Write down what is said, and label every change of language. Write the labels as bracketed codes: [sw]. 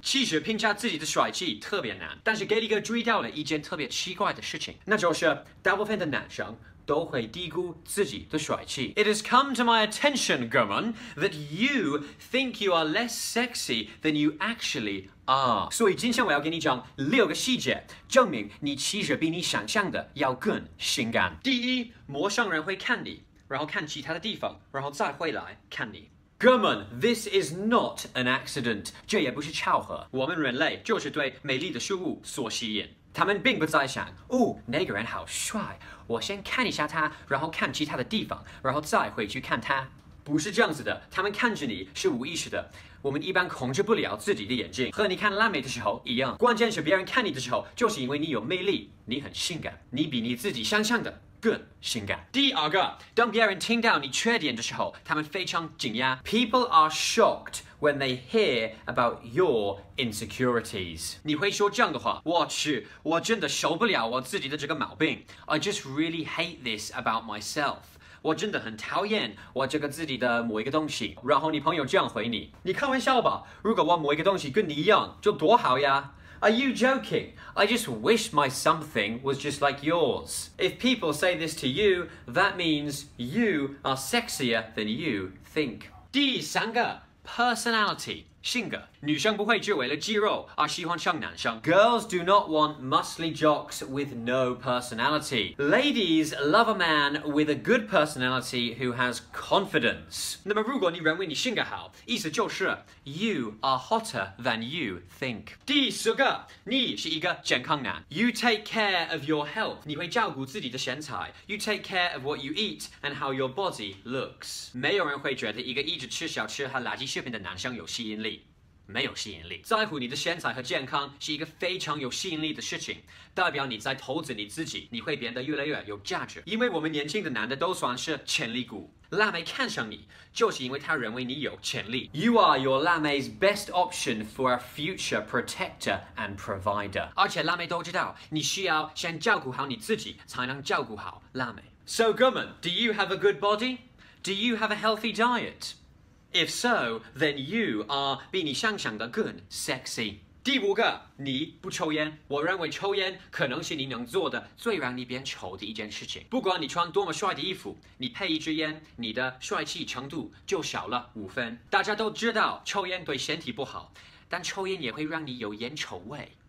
[zh] 其实评价自己的帅气特别难，但是给你哥注意到了一件特别奇怪的事情，那就是大部分的男生都会低估自己的帅气。 [en] It has come to my attention, Gorman, that you think you are less sexy than you actually are. [zh] 所以今天我要给你讲六个细节，证明你其实比你想象的要更性感。第一，陌生人会看你，然后看其他的地方，然后再回来看你。 [en] Gorman, this is not an accident. [zh] 这也不是巧合。我们人类就是对美丽的事物所吸引。他们并不在想，哦，那个人好帅，我先看一下他，然后看其他的地方，然后再回去看他。不是这样子的，他们看着你是无意识的。我们一般控制不了自己的眼睛，和你看辣妹的时候一样。关键是别人看你的时候，就是因为你有魅力，你很性感，你比你自己想象的更性感。第二个，当别人听到你缺点的时候，他们非常惊讶。 [en] People are shocked when they hear about your insecurities. [zh] 你会说这样的话，我去，我真的受不了我自己的这个毛病。 [en] I just really hate this about myself. [zh] 我真的很讨厌我这个自己的某一个东西。然后你朋友这样回你，你开玩笑吧？如果我某一个东西跟你一样，就多好呀。 [en] Are you joking? I just wish my something was just like yours. If people say this to you, that means you are sexier than you think. [zh] 第三个 personality, 性格。女生不会只为了肌肉而喜欢上男生。 [en] Girls do not want muscly jocks with no personality. Ladies love a man with a good personality who has confidence. [zh] 那么如果你认为你性格好，意思就是 [en] you are hotter than you think. [zh] 第四个，你是一个健康男。 [en] You take care of your health. [zh] 你会照顾自己的身材。 [en] You take care of what you eat and how your body looks. [zh] 没有人会觉得一个一直吃小吃和垃圾食品的男生有吸引力。没有吸引力，在乎你的身材和健康是一个非常有吸引力的事情，代表你在投资你自己，你会变得越来越有价值。因为我们年轻的男的都算是潜力股，辣妹看上你就是因为她认为你有潜力。 [en] You are your 辣妹's best option for a future protector and provider. [zh] 而且辣妹都知道你需要先照顾好你自己才能照顾好辣妹。 [en] So Gorman, do you have a good body? Do you have a healthy dietIf so, then you are [zh] 比你想象的更 [en] sexy. [zh] 第五个，你不抽烟。我认为抽烟可能是你能做的最让你变丑的一件事情。不管你穿多么帅的衣服，你配一支烟，你的帅气程度就少了五分。大家都知道抽烟对身体不好，但抽烟也会让你有烟臭味。